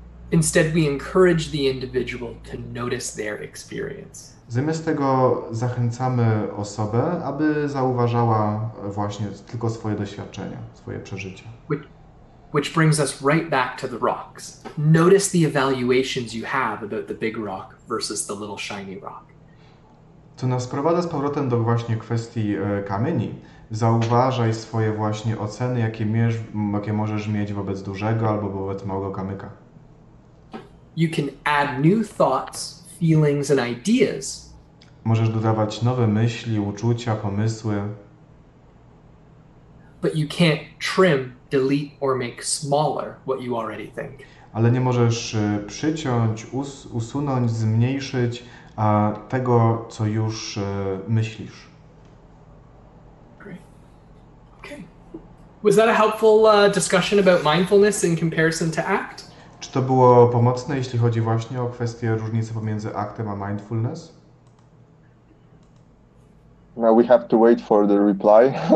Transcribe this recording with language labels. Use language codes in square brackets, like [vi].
[en] Instead, we encourage the individual to notice their experience. [pl] Zamiast tego zachęcamy osobę, aby zauważała właśnie tylko swoje doświadczenia, swoje przeżycia. [en] Which brings us right back to the rocks. Notice the evaluations you have about the big rock versus the little shiny rock. [pl] To nas prowadzi z powrotem do właśnie kwestii kamieni. Zauważaj swoje właśnie oceny, jakie możesz mieć wobec dużego albo wobec małego kamyka. [en] You can add new thoughts, feelings and ideas. [pl] Możesz dodawać nowe myśli, uczucia, pomysły. [en] But you can't trim, delete or make smaller what you already think. [pl] Ale nie możesz przyciąć, usunąć, zmniejszyć tego, co już myślisz. [en] Great. Okay. Was that a helpful discussion about mindfulness in comparison to ACT? [pl] Czy to było pomocne, jeśli chodzi właśnie o kwestię różnicy pomiędzy aktem a mindfulness? [en] Now we have to wait for the reply.